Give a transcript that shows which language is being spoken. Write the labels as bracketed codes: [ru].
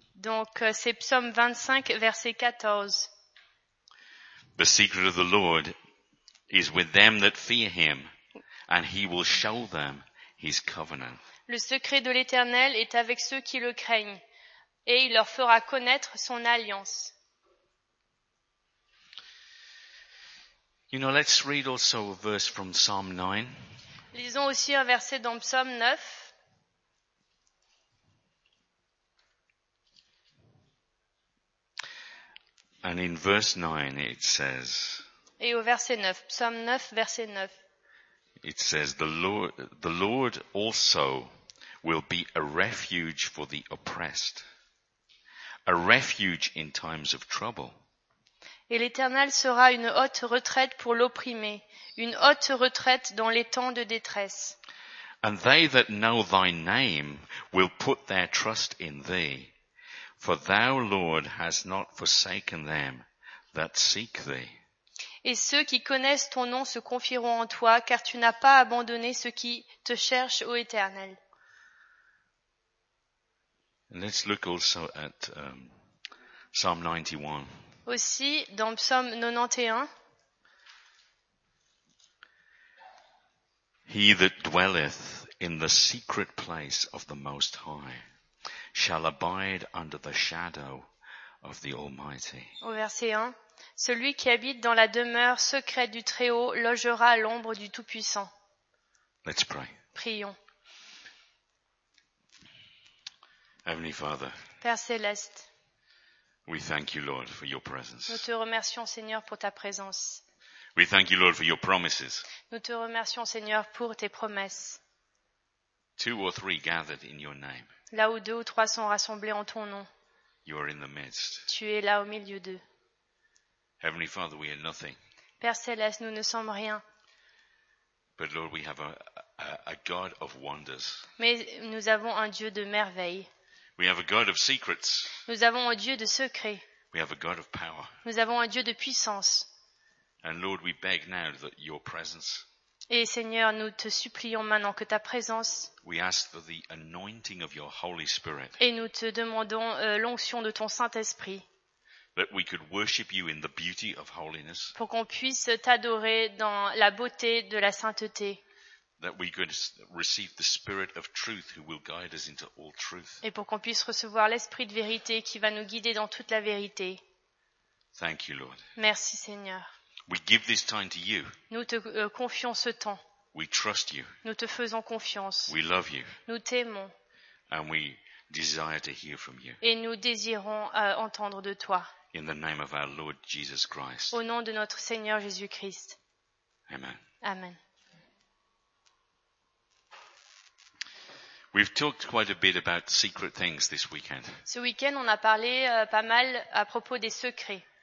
[fr] Donc c'est Psaume 25, verset 14. [en] The secret of the Lord is with them that fear him, and he will show them his covenant. [fr] Le secret de l'Éternel est avec ceux qui le craignent, et il leur fera connaître son alliance. [en] You know, let's read also a verse from Psalm 9. [fr] Lisons aussi un verset dans Psaume 9. [en] And in verse 9 it says, [fr] et au verset 9, Psaume 9, verset 9. [en] It says, the Lord also will be a refuge for the oppressed, a refuge in times of trouble. [fr] Et l'Éternel sera une haute retraite pour l'opprimé, une haute retraite dans les temps de détresse. [en] And they that know thy name will put their trust in thee, for thou, Lord, hast not forsaken them that seek thee. [fr] Et ceux qui connaissent ton nom se confieront en toi, car tu n'as pas abandonné ceux qui te cherchent, ô Éternel. [en] Let's look also at Psalm 91. [fr] Aussi dans Psaume 91. [en] He that dwelleth in the secret place of the Most High shall abide under the shadow of the Almighty. [fr] Au verset 1. Celui qui habite dans la demeure secrète du Très-Haut logera à l'ombre du Tout-Puissant. [en] Let's pray. [fr] Prions. [en] Heavenly Father, [fr] Père Céleste, [en] we thank you, Lord, for your presence. [fr] Nous te remercions, Seigneur, pour ta présence. [en] We thank you, Lord, for your promises. [fr] Nous te remercions, Seigneur, pour tes promesses. [en] Two or three gathered in your name. [fr] Là où deux ou trois sont rassemblés en ton nom, [en] you are in the midst. [fr] Tu es là au milieu d'eux. [en] Heavenly Father, we are nothing. [fr] Père Céleste, nous ne sommes rien. [en] But Lord, we have a God of wonders. [fr] Mais nous avons un Dieu de merveilles. [en] We have a God of secrets. [fr] Nous avons un Dieu de secrets. [en] We have a God of power. [fr] Nous avons un Dieu de puissance. [en] And Lord, we beg now that your presence. [fr] Et Seigneur, nous te supplions maintenant que ta présence. [en] We ask for the anointing of your Holy Spirit. [fr] Et nous te demandons l'onction de ton Saint-Esprit. [en] That we could worship you in the beauty of holiness. [fr] Pour qu'on puisse t'adorer dans la beauté de la sainteté. [en] That we could receive the Spirit of truth who will guide us into all truth. [fr] Et pour qu'on puisse recevoir l'Esprit de vérité qui va nous guider dans toute la vérité. [en] Thank you, Lord. [fr] Merci, Seigneur. [en] We give this time to you. [fr] Nous te confions ce temps. [en] We trust you. [fr] Nous te faisons confiance. [en] We love you. [fr] Nous t'aimons. [en] And we desire to hear from you. [fr] Et nous désirons entendre de toi. [en] In the name of our Lord Jesus Christ. [fr] Au nom de notre Seigneur Jésus-Christ. [en] Amen. [fr] Amen. [en] We've talked quite a bit about secret things this weekend. [fr] Ce week-end, on a parlé pas mal à propos des secrets.